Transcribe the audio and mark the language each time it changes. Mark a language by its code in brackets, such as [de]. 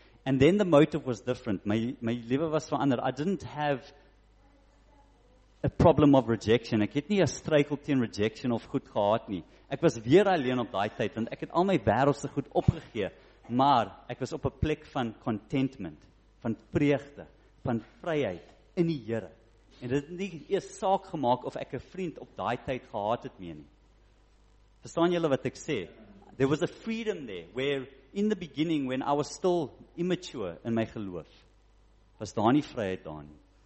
[en] And then the motive was different. [af] My lewe was verander. [en] I didn't have a problem of rejection. [af] Ek het nie 'n struikel teen rejection of goed gehad nie. Ek was weer alleen op daai tyd, want ek het al my wêreldse goed opgegee, maar ek was op 'n plek van contentment, van vreugde, van vryheid in die Here. En dit het nie eers saak gemaak of ek 'n vriend op daai tyd gehad het mee nie. Verstaan julle wat ek sê? [en] There was a freedom there, where in the beginning, when I was still immature in my [af] geloof, was daar nie vryheid daar nie.